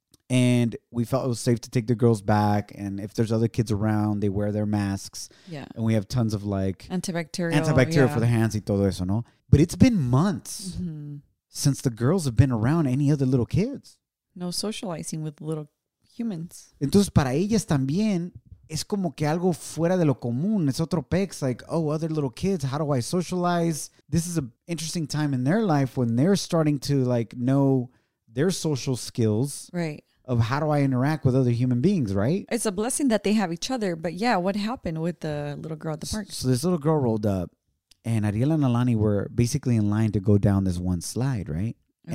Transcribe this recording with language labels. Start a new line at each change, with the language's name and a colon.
English: And we felt it was safe to take the girls back. And if there's other kids around, they wear their masks. Yeah. And we have tons of like antibacterial yeah. for the hands
Spanish: y todo eso, no?
English: But it's been months since the girls have been around any other little kids. No socializing with little humans.
Spanish: Entonces, para ellas también, es como que algo fuera de lo común. Es otro pex,
English: like, oh, other little kids, how do I socialize? This is an interesting time in their life when they're starting to like know their social skills. Right. Of how do I interact with other human beings, right? It's a blessing that they have each other. But yeah, what happened with the little girl at the park? So this little girl rolled up and Ariela and Alani were basically in line to go down this one slide, right? Okay.